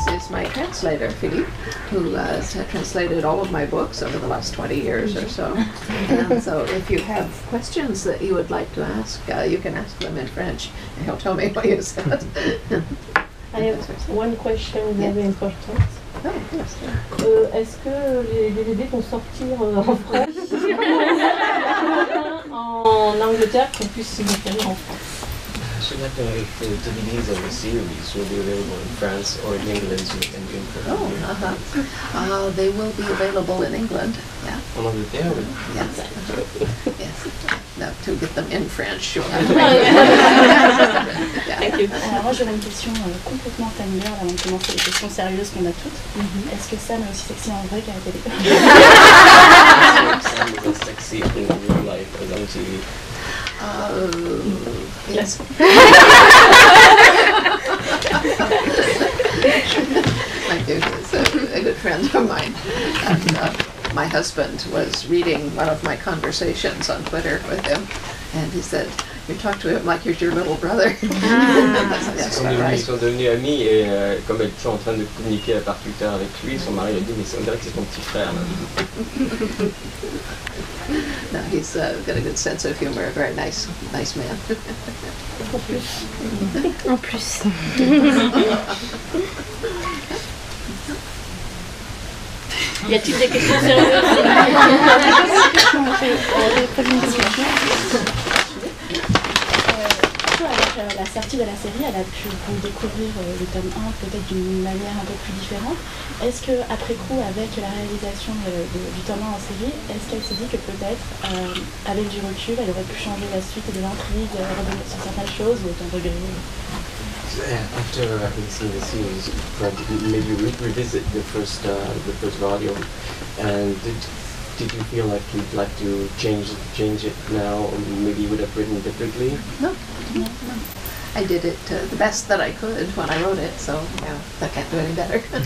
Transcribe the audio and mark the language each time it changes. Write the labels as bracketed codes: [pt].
[en] my translator, Philippe, who has translated all of my books over the last 20 years or so. And so if you have questions that you would like to ask, you can ask them in French, and he'll tell me what you said. I have one question very important. Oh, yes. [fr] Est-ce que les DVD vont sortir en France ou en Angleterre pour qu'on puisse les faire en France? [en] So that if the DVDs of the series will be available in France or in England, so they can be imported. Oh, uh-huh. They will be available in England. Yeah. Along with the other. Yes. Yes. No, to get them in French, sure. Thank you. [fr] Moi, j'aurais une question complètement familière avant de commencer les questions sérieuses qu'on a toutes. Mm-hmm. Est-ce que Sam est aussi sexy en vrai qu'à la télé? [en] Sam is as sexy in real life as on TV. Yes. My dude is a good friend of mine. And, my husband was reading one of my conversations on Twitter with him, and he said, "You talk to him like he's your little brother." [fr] Ils sont devenus amis, et comme elle était en train de communiquer à part Twitter avec lui, son mari a dit, "Mais on dirait que c'est ton petit frère." [en] No, he's got a good sense of humor, a very nice man. [fr] En plus. Y a-t-il des questions sérieuses? La sortie de la série, elle a pu vous découvrir le tome 1 peut-être d'une manière un peu plus différente. Est-ce que après coup, avec la réalisation du tome 1 en série, est-ce qu'elle s'est dit que peut-être, avec du recul, elle aurait pu changer la suite de l'intrigue sur certaines choses ou autant de grilles? [en] After having seen the series, maybe you revisit the first volume, and did you feel like you'd like to change it now, or maybe you would have written differently? No. I did it the best that I could when I wrote it, so yeah, I can't do any better.